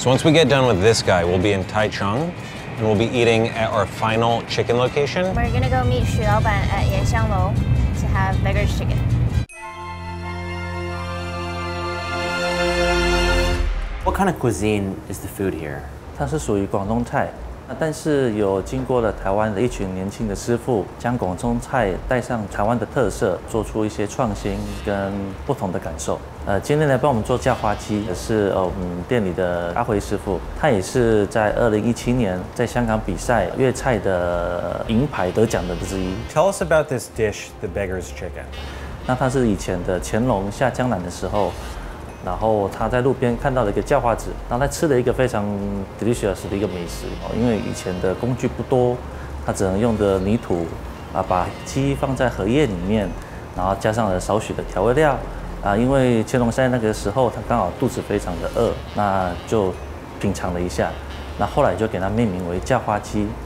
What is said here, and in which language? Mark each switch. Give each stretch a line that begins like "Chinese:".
English: So once we get done with this guy, we'll be in Taichung, and we'll be eating at our final chicken location. We're gonna go meet Shi Laoban at Yanxiang Lou to have beggar's chicken. What kind of cuisine is the food here?
Chinese: 它是属于广东菜，但是有经过了台湾的一群年轻的师傅，将广东菜带上台湾的特色，做出一些创新跟不同的感受。今天来帮我们做叫花鸡的是我们店里的阿辉师傅，他也是在2017年在香港比赛粤菜的银牌得奖的之一。
English: Tell us about this dish, the beggar's chicken.
Chinese: 那它是以前的乾隆下江南的时候，然后他在路边看到了一个叫花子，然后他吃了一个非常 delicious 的一个美食，因为以前的工具不多，他只能用的泥土把鸡放在荷叶里面，然后加上了少许的调味料因为乾隆在那个时候他刚好肚子非常的饿，那就品尝了一下，那后来就给他命名为叫花鸡。